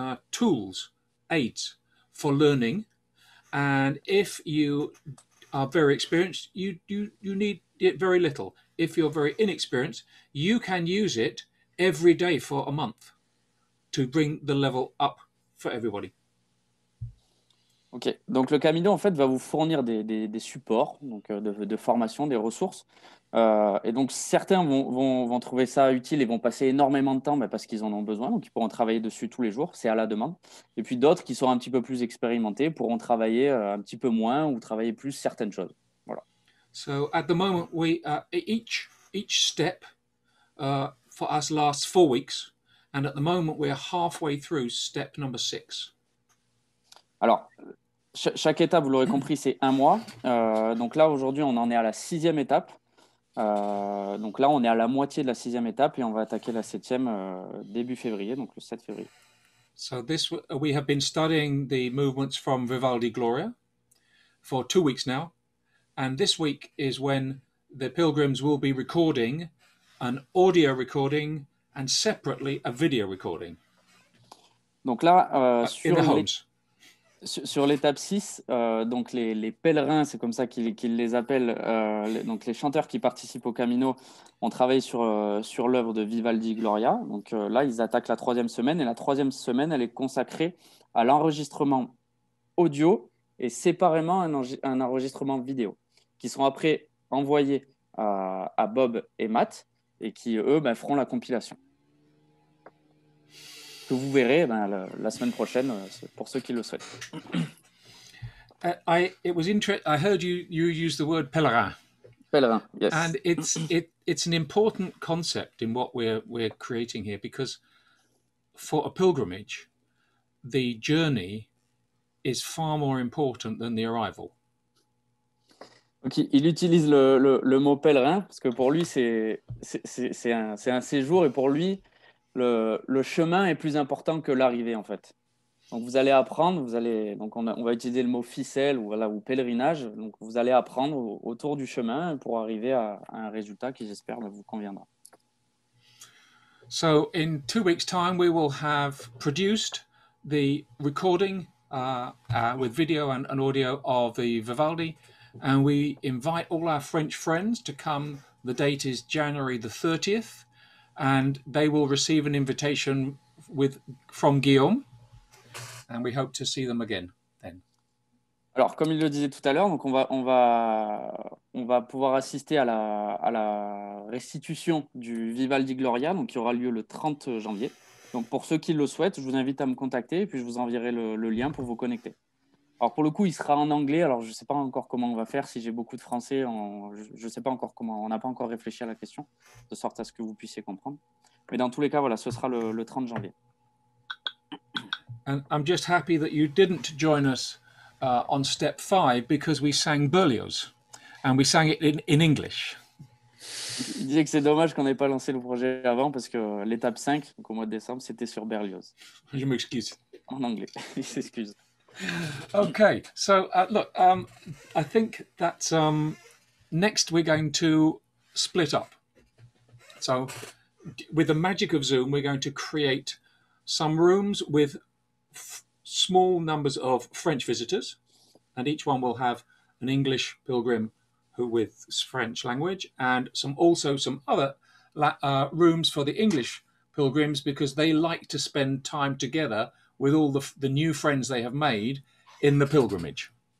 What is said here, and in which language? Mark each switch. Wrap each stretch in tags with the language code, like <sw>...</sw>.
<en>tools, aids for learning. And if you are very experienced, you need it very little. If you're very inexperienced, you can use it every day for a month to bring the level up for everybody.</en> <fr>Ok, donc le Camino en fait va vous fournir des supports, donc de formation, des ressources. Et donc certains vont trouver ça utile et vont passer énormément de temps parce qu'ils en ont besoin, donc ils pourront travailler dessus tous les jours, c'est à la demande. Et puis d'autres qui sont un petit peu plus expérimentés pourront travailler un petit peu moins ou travailler plus certaines choses. Voilà.</fr> <en>So at the moment, we each step for us lasts 4 weeks, and at the moment we are halfway through step number 6.</en> <fr>Alors, chaque étape, vous l'aurez compris, c'est un mois. Donc là, aujourd'hui, on en est à la 6e étape. Donc là, on est à la moitié de la 6e étape et on va attaquer la 7e début février, donc le 7 février.</fr> <en>So this, we have been studying the movements from Vivaldi Gloria for 2 weeks now. And this week is when the pilgrims will be recording an audio recording and separately a video recording.</en> <fr>Donc là, sur l'étape 6, donc les pèlerins, c'est comme ça qu'ils les appellent, donc les chanteurs qui participent au Camino ont travaillé sur l'œuvre de Vivaldi Gloria. Donc là, ils attaquent la 3e semaine et la 3e semaine, elle est consacrée à l'enregistrement audio et séparément un enregistrement vidéo qui seront après envoyés à Bob et Matt et qui, eux, ben, feront la compilation. Que vous verrez ben, la semaine prochaine pour ceux qui le souhaitent.</fr> <en>I heard you use the word pèlerin. Pèlerin, yes. And it's an important concept in what we're creating here because for a pilgrimage, the journey is far more important than the arrival.</en> <fr>Donc il utilise le mot pèlerin parce que pour lui c'est un séjour et pour lui le chemin est plus important que l'arrivée, en fait. Donc, vous allez apprendre, on va utiliser le mot ficelle ou pèlerinage. Donc, vous allez apprendre autour du chemin pour arriver à un résultat qui, j'espère, vous conviendra.</fr> <en>So, in 2 weeks' time, we will have produced the recording with video and audio of the Vivaldi. And we invite all our French friends to come. The date is January the 30th. And they will receive an invitation from Guillaume, and we hope to see them again then.</en> <fr>Alors, comme il le disait tout à l'heure, donc on va pouvoir assister à la restitution du Vivaldi Gloria, donc qui aura lieu le 30 janvier. Donc, pour ceux qui le souhaitent, je vous invite à me contacter et puis je vous enverrai le lien pour vous connecter. Alors, pour le coup, il sera en anglais. Alors, je ne sais pas encore comment on va faire. Si j'ai beaucoup de français, je ne sais pas encore comment. On n'a pas encore réfléchi à la question, de sorte à ce que vous puissiez comprendre. Mais dans tous les cas, voilà, ce sera le 30 janvier.</fr> <en>And I'm just happy that you didn't join us on step 5 because we sang Berlioz. And we sang it in English.</en> <fr>Il disait que c'est dommage qu'on n'ait pas lancé le projet avant parce que l'étape 5, donc au mois de décembre, c'était sur Berlioz. Je m'excuse. En anglais. Il s'excuse.</fr> <en>Okay, so look, I think that next we're going to split up. So with the magic of Zoom, we're going to create some rooms with small numbers of French visitors, and each one will have an English pilgrim who with French language, and some other rooms for the English pilgrims because they like to spend time together with all the new friends they have made in the pilgrimage.</en>